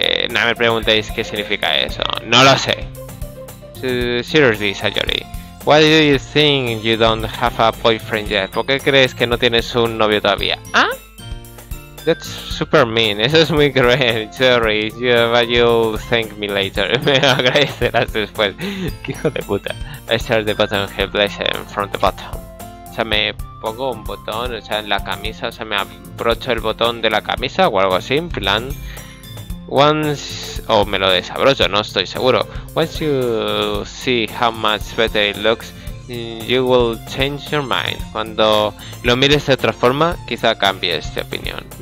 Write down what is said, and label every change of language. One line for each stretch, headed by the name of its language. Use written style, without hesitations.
Spanish: No me preguntéis qué significa eso. No lo sé. Seriously, Sayori.
English: Why do you think you don't have a boyfriend yet?
Spanish: ¿Por qué crees que no tienes un novio todavía?
English: ¿Ah? That's super mean.
Spanish: Eso es muy cruel.
English: Sorry, but you'll thank me later.
Spanish: Me lo agradecerás después. ¿Qué hijo de puta?
English: I start the button here, blazer, from the bottom.
Spanish: O sea, me pongo un botón, o sea, en la camisa, o sea, me abrocho el botón de la camisa o algo así, en plan. Once, o me lo desabrocho, no estoy seguro.
English: Once you see how much better it looks, you will change your mind.
Spanish: Cuando lo mires de otra forma, quizá cambies de opinión.